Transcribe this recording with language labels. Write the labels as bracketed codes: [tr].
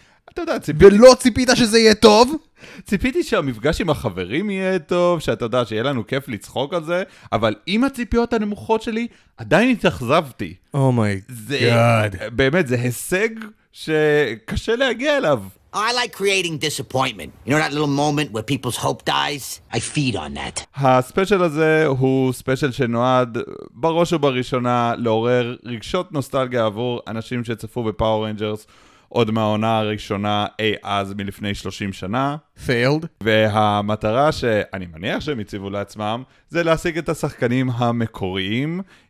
[he] אתה יודע, ציפיתי... ולא ציפית שזה יהיה טוב? ציפיתי שהמפגש עם החברים יהיה טוב, שאתה יודע, שיהיה לנו כיף לצחוק על זה, אבל עם הציפיות הנמוכות שלי, עדיין התאכזבתי. [en] Oh my God. [he] זה, באמת, זה הישג שקשה להגיע אליו. [en] I like creating disappointment. You know that little moment where people's hope dies? I feed on that. [he] הספשייל הזה הוא ספשייל שנועד בראש ובראשונה לעורר רגשות נוסטלגיה עבור אנשים שצפו בפאור רנג'רס עוד מהעונה הראשונה אי אז מלפני 30 שנה. [en] Failed. [he] והמטרה שאני מניח שהם הציבו לעצמם זה להשיג את השחקנים המקוריים.